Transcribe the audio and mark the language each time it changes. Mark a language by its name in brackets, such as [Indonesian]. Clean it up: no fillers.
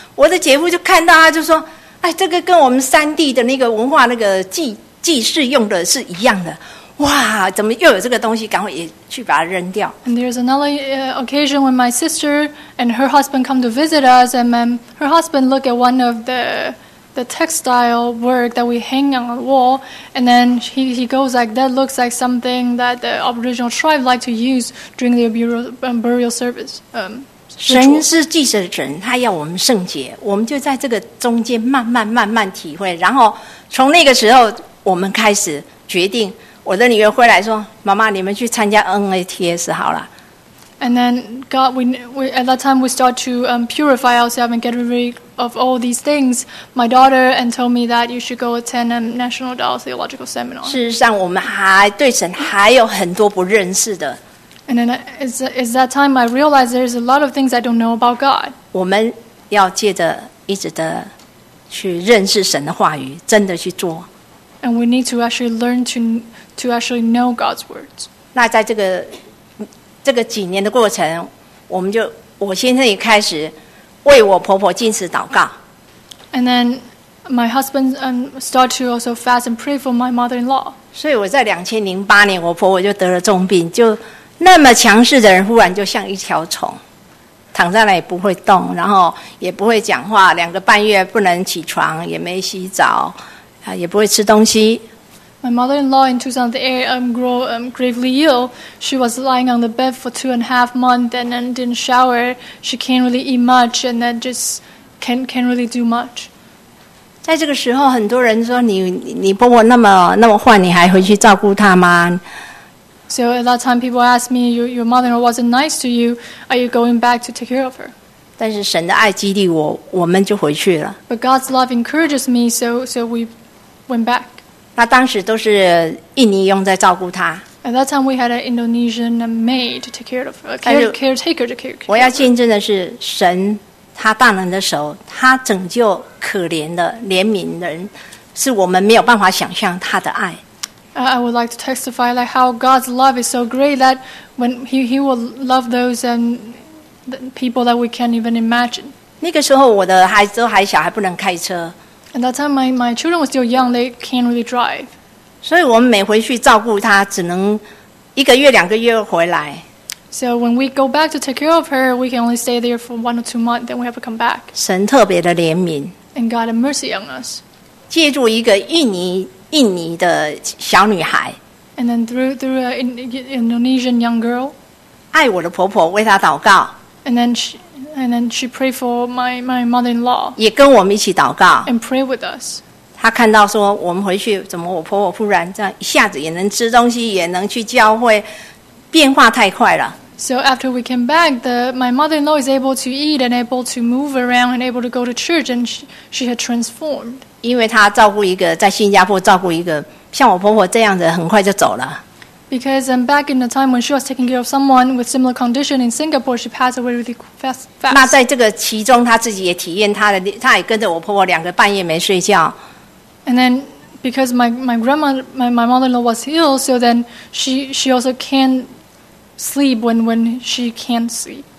[Chinese] 我的姐夫就看到，他就说：“哎，这个跟我们三地的那个文化那个祭祀用的是一样的。” 哇，怎么又有这个东西？赶快也去把它扔掉。 [English] And there's another occasion when my sister and her husband come to visit us, and then her husband look at one of the textile work that we hang on the wall, and then he goes like, that looks like something that the Aboriginal tribe like to use during their burial service. [Chinese] 神是祭祀的神，他要我们圣洁，我们就在这个中间慢慢体会，然后从那个时候我们开始决定。我的女儿回来说：“妈妈，你们去参加 NATS 好了。” [English] And then God, we at that time we start to purify ourselves and get rid of all these things. My daughter and told me that you should go attend a National Dao Theological Seminar. [Chinese] 事实上，我们还对神还有很多不认识的。 [English] And then it's that time I realized there's a lot of things I don't know about God. [Chinese] 我们要借着一直的去认识神的话语，真的去做。 [English] And we need to actually learn to actually know God's words. [Chinese] 那在这个几年的过程，我先生也开始为我婆婆进食祷告。 [English] And then my husband start to also fast and pray for my mother-in-law. [Chinese] 所以我在2008年，我婆婆就得了重病，就那么强势的人，忽然就像一条虫，躺在那里不会动，然后也不会讲话，两个半月不能起床，也没洗澡。也不会吃东西。 [English] My mother-in-law in 2008 grew gravely ill. She was lying on the bed for 2.5 months and then didn't shower. She can't really eat much and then just can't really do much. [Chinese] 在这个时候，很多人说你婆婆那么坏，你还回去照顾她吗 [English] ？So at that time, people asked me, "Your mother-in-law wasn't nice to you. Are you going back to take care of her?" [Chinese] 但是神的爱激励我，我们就回去了。 [English] But God's love encourages me, so we. Went back. [Chinese] 那当时都是印尼佣在照顾他。 [English] At that time, we had an Indonesian maid to take care of her, caretaker to care for her. [Chinese] 我要见证的是神，他大能的手，他拯救可怜的怜悯人，是我们没有办法想象他的爱。 [English] I would like to testify like how God's love is so great that when He will love those and the people that we can't even imagine. [Chinese] 那个时候我的孩子都还小，还不能开车。 [English] At that time, my children were still young. They can't really drive. [Chinese] 所以我们每回去照顾她，只能一个月、两个月回来。 [English] So when we go back to take care of her, we can only stay there for 1 or 2 months. Then we have to come back. [Chinese] 神特别的怜悯。 [English] And God had mercy on us. [Chinese] 借助一个印尼的小女孩。 [English] And then through an Indonesian young girl. [Chinese] 爱我的婆婆为她祷告。 [English] And then she prayed for my mother-in-law. [Chinese] 也跟我们一起祷告。 [English] And pray with us. [Chinese] 她看到说我们回去，怎么我婆婆忽然这样一下子也能吃东西，也能去教会，变化太快了。 [English] So after we came back, my mother-in-law is able to eat and able to move around and able to go to church, and she had transformed. [Chinese] 因为她照顾一个在新加坡照顾一个像我婆婆这样的，很快就走了。 [English] Because back in the time when she was taking care of someone with similar condition in Singapore, she passed away really fast. [Chinese] 那在这个其中，她自己也体验她也跟着我婆婆两个半夜没睡觉。 [English] And then. Because my grandma, my mother-in-law was ill, so then she also can't sleep when she can't sleep.